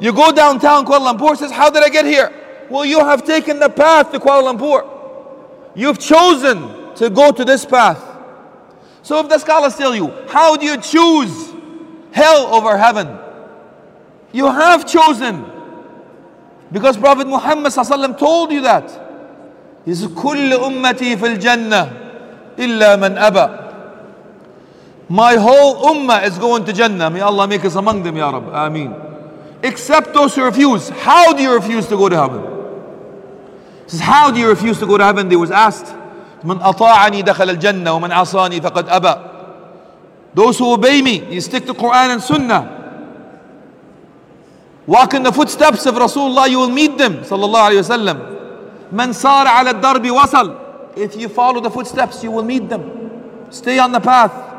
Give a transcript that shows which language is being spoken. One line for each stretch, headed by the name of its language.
English: You go downtown Kuala Lumpur, says, how did I get here? Well, you have taken the path to Kuala Lumpur. You've chosen to go to this path. So if the scholars tell you, how do you choose hell over heaven? You have chosen. Because Prophet Muhammad sallallahu alaihi wasallam told you that. He says,
Arabic: كل أمتي في الجنة إلا من أبى.
English: My whole ummah is going to Jannah. May Allah make us among them, Ya Rab. Ameen. Except those who refuse. How do you refuse to go to heaven? He says, how do you refuse to go to heaven? They was asked.
Arabic: من أطاعني دخل الجنة ومن عصاني فقد أبى.
English: Those who obey me, you stick to Quran and Sunnah. Walk in the footsteps of Rasulullah, you will meet them, sallallahu alayhi wasallam.
Arabic: من صار على الدرب وصل.
English: If you follow the footsteps, you will meet them. Stay on the path.